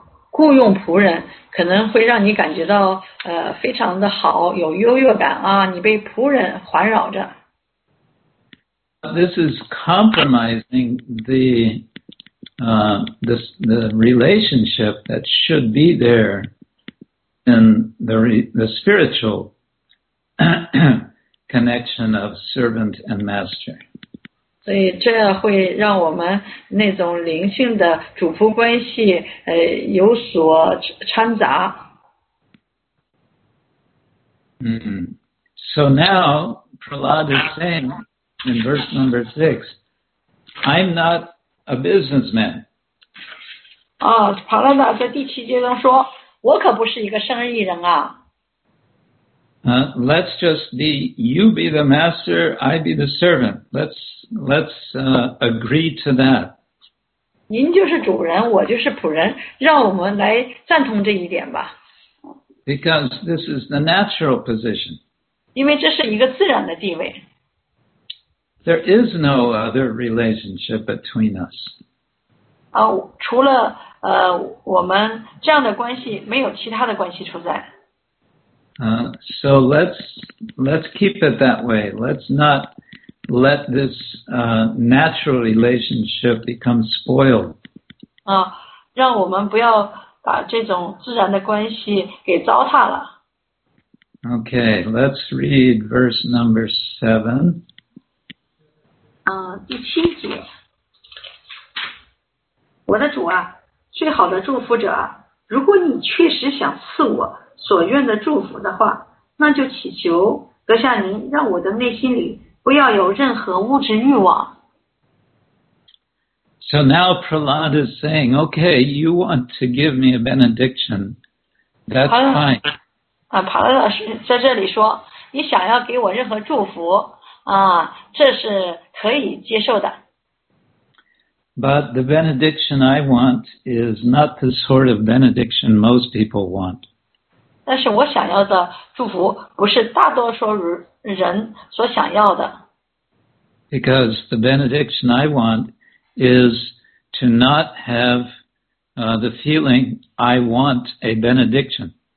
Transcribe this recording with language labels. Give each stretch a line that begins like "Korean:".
Chinese: 雇佣仆人可能会让你感觉到非常的好，有优越感啊，你被仆人环绕着。
English: This is compromising the relationship that should be there. In the spiritual connection of servant and master.
Chinese: 所以这会让我们那种灵性的主仆关系有所掺杂。
English: So now Prahlad is saying in verse number 6, I'm not a businessman.
Chinese: 啊，帕拉达在第七节中说，我可不是一个生意人啊。
English: Let's just be, you be the master, I be the servant. Let's agree to that.
Chinese: 您就是主人，我就是仆人，让我们来赞同这一点吧。
English: Because this is the natural position.
Chinese: 因为这是一个自然的地位。
English: There is no other relationship between us.
Chinese: 除了我们这样的关系，没有其他的关系存在。
English: So let's keep it that way. Let's not let this natural relationship become spoiled.
Chinese: 让我们不要把这种自然的关系给糟蹋了。
English: Okay, let's read verse number 7.
Chinese: 第七节。我的主啊，最好的祝福者啊，如果你确实想赐我所愿的祝福的话，那就祈求阁下您让我的内心里不要有任何物质欲望。
English: So now Prahlad is saying, okay, you want to give me a benediction. That's fine.
Chinese: 帕拉达在这里说，你想要给我任何祝福啊，这是可以接受的。
English: But the benediction I want is not the sort of benediction most people want.
Chinese: 但是我想要的祝福不是大多数人所想要的。
English: Because the benediction I want is to not have the feeling I want a benediction.